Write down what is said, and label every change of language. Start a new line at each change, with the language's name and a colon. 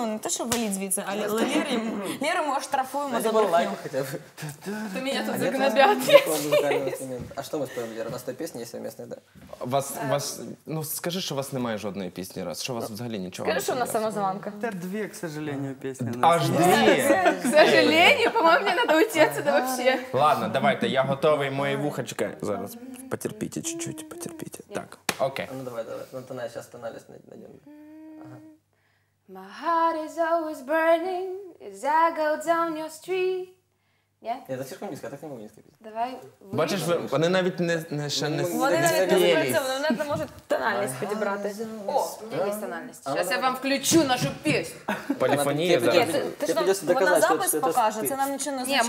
Ukrainian: Ну, не те, що валіть звідси, а Леру ми оштрафуємо за брехню. Лайк хоча б. Ти мене тут загнобят. А що ми співаємо, Лера? У нас тої пісні є совмісні, так? Вас... Ну, скажи, що у вас немає жодної пісні раз. Що у вас взагалі нічого? Скажи, що у нас самозванка. Та дві,
Russian: к сожалению,
Ukrainian: пісні. Аж дві?
Russian: К сожалению, по-моєму, мені треба уйти отсюда вообще.
Ukrainian: Ладно, давайте, я готовий, мої вухочки. Зараз. Потерпіть, чуть-чуть, потерпіть. Так, окей. Ну давай, давай. Ну, Тонай, зараз тональність найдем.
English: My heart is always burning as I go down your street.
Ukrainian: Ні, це слишком низько, так не можу низько піти. Давай. Бачиш, вони навіть не вони навіть не спеціалізовані, вони навіть не можуть тональність підібрати. О, у мене є тональність. Зараз я вам включу нашу пісню. Поліфонія зараз. Вона запис покаже, це нам нічого не означає.